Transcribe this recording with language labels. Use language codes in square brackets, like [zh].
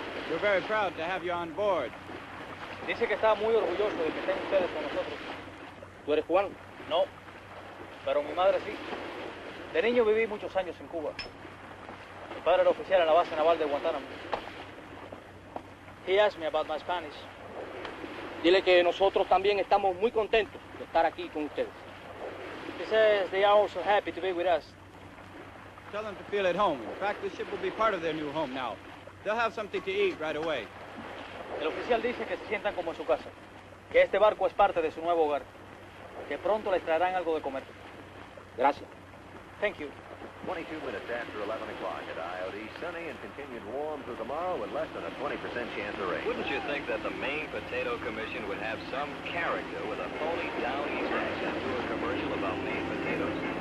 [en] You're very proud to have you on board. [es] Dice que está muy orgulloso de que estén ustedes con nosotros. ¿Tú eres cubano? No, pero mi madre sí. De niño viví muchos años en Cuba. Mi padre era oficial en la base naval de Guantánamo. [en] He asked me about my Spanish. [es] Dile que nosotros también estamos muy contentos de estar aquí con ustedes. [en] He says they are also happy to be with us. Tell them to feel at home. In fact, the ship will be part of their new home now. They'll have something to eat right away. [es] El oficial dice que se sientan como en su casa, que este barco es parte de su nuevo hogar, que pronto les traerán algo de comer. Gracias. [en] Thank you. 22 minutes after 11 o'clock at IOD, sunny and continued warm through tomorrow with less than a 20% chance of rain. Wouldn't you think that the Maine Potato Commission would have some character with a phony down east accent to a commercial about Maine potatoes?